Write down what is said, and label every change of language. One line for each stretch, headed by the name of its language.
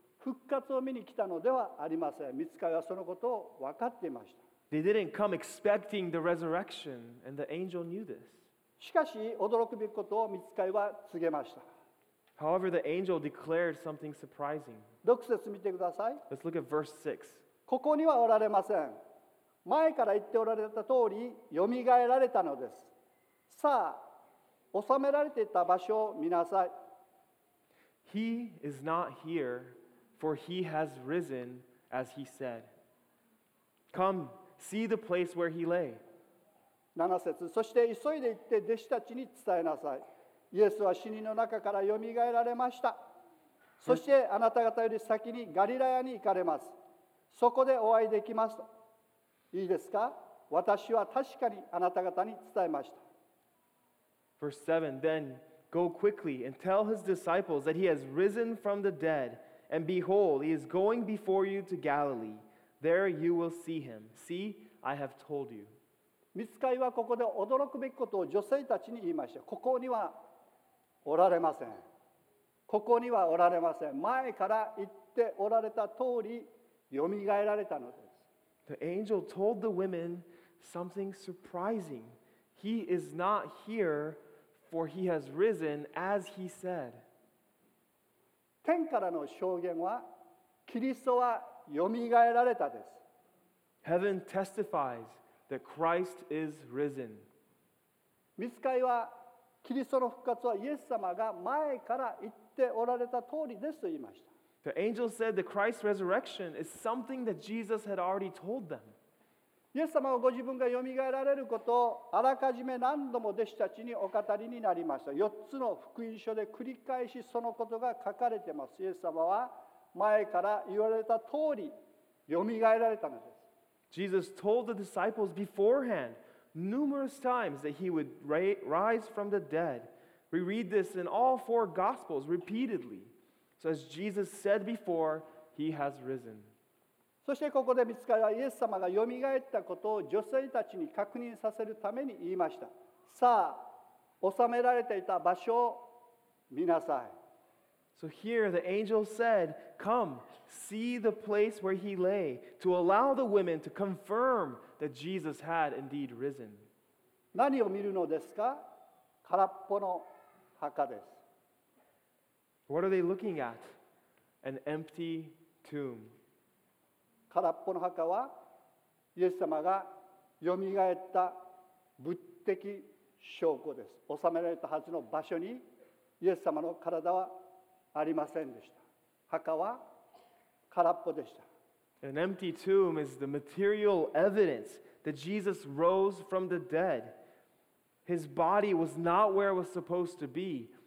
Japanese: 復活を見に来たのではありません。御使いはそのことを分かっていました。
English: They didn't come expecting the resurrection, and the angel knew this.
Japanese: しかし、驚くべきことを御使いは告げました。
English: However, the angel declared something surprising.
Japanese: 6節見てください。
English: Let's look at verse 6.
Japanese: ここにはおられません。前から言っておられた通り、よみがえられたのです。さあ、収められていた場所を見なさい。
English: He is not here, for he has risen, as he said. Come, see the place where he lay.
Japanese: 7節、そして急いで行って弟子たちに伝えなさい。イエスは死人の中からよみがえられました。そしてあなた方より先にガリラヤに行かれます。そこでお会いできます。いいですか?私は確かにあなた方に伝えました。
English: Verse 7, then go quickly and tell his disciples that he has risen from the dead, and behold, he is going before you to Galilee. There you will see him. See, I have told you.
Japanese: 御使いはここで驚くべきことを女性たちに言いました。ここにはおられません。ここにはおられません。前から言っておられた通り、よみがえられたのです。
English: The angel told the women something surprising. He is not here, for he has risen as he said.
Japanese: 天からの証言は、キリストはよみがえられたです。
English: Heaven testifies that Christ is risen.
Japanese: 御使いは、キリストの復活はイエス様が前から言っておられた通りですと言いました。 The angel said that Christ's resurrection is something that Jesus had already told them. イエス様はご自分がよみがえられることをあらかじめ何度も弟子たちにお語りになりました。 4つの福音書で繰り返しそのことが書かれています。イエス様は前から言われた通りよみがえられたのです。
English: Jesus told the disciples beforehand. Numerous times that he would rise from the dead. We read this in all four Gospels repeatedly. So as Jesus said before, he has risen.
Japanese: そしてここで御使いはイエス様がよみがえったことを女性たちに確認させるために言いました。さあ、収められていた場所を見なさい。
English: So here the angel said, Come, see the place where he lay, to allow the women to confirm that Jesus had indeed risen.
Japanese: 何を見るのですか?空っぽの墓です。
English: What are they looking at? An empty tomb.
Japanese: 空っぽの墓は、イエス様がよみがえった物的証拠です。収められたはずの場所に、イエス様の体はありませんでした。墓は空っぽでした。
English: An empty tomb is the material evidence that Jesus rose from the dead. His body was not where it was supposed to be.